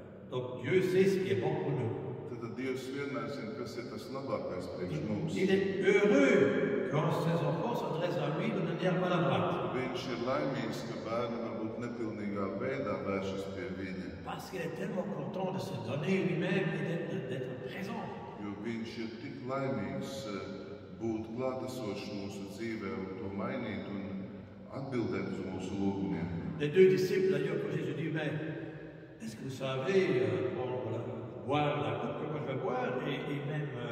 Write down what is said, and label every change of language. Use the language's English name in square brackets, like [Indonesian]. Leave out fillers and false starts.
[French] Donc, Dieu sait, ce qui est bon pour nous. [Latvian] Tad Dievs vienmēr zina, kas ir tas labākais priekš mums. [French] Il est heureux, quand ses enfants s'adressent à lui de manière maladroite. [Latvian] Viņš ir laimīgs, ka bērni varbūt nepilnīgā veidā vēršas pie viņa. [French] Parce qu'il est tellement content de se donner lui-même et d'être présent. [Latvian] Jo viņš ir tik laimīgs būt klātesošs mūsu dzīvē un to mainīt un atbildēt uz mūsu lūgumiem. [French] Les deux disciples, d'ailleurs, quand Jésus dit, mais est-ce que vous savez boire la coupe que moi je vais boire et même